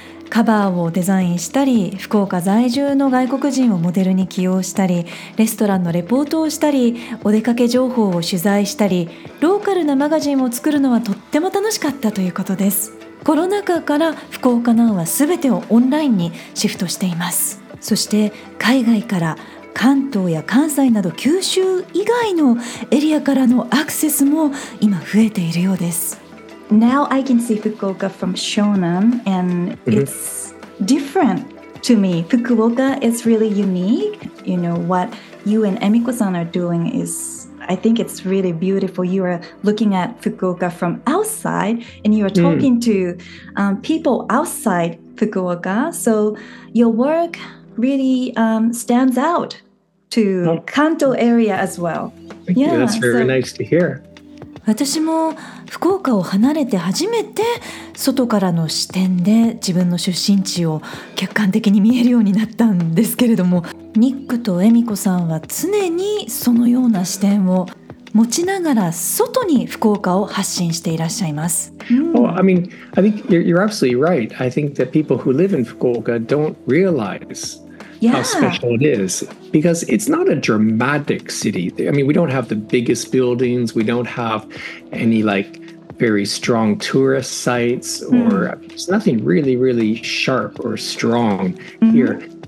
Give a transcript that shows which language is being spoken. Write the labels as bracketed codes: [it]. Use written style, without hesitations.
[ja] カバーをデザインしたり、福岡在住の外国人をモデルに起用したり、レストランのレポートをしたり、お出かけ情報を取材したり、ローカルなマガジンを作るのはとっても楽しかったということです。コロナ禍から福岡ナウは全てをオンラインにシフトしています。そして海外から関東や関西など九州以外のエリアからのアクセスも今増えているようです。 [en] Now I can see Fukuoka from Shonan, and it's different to me. Fukuoka is really unique. You know, what you and Emiko-san are doing is, I think it's really beautiful. You are looking at Fukuoka from outside, and you are talking to people outside Fukuoka. So your work really stands out to Kanto area as well. Thank you. That's very nice to hear. [ja] 私も福岡を離れて初めて外からの視点で自分の出身地を客観的に見えるようになったんですけれども、ニックとエミコさんは常にそのような視点を持ちながら外に福岡を発信していらっしゃいます。 [en] Well, I mean, I think you're absolutely right. I think that people who live in Fukuoka don't realize how special it is. Because it's not a dramatic city. I mean, we don't have the biggest buildings. We don't have any like very strong tourist sites or it's nothing really, really sharp or strong here.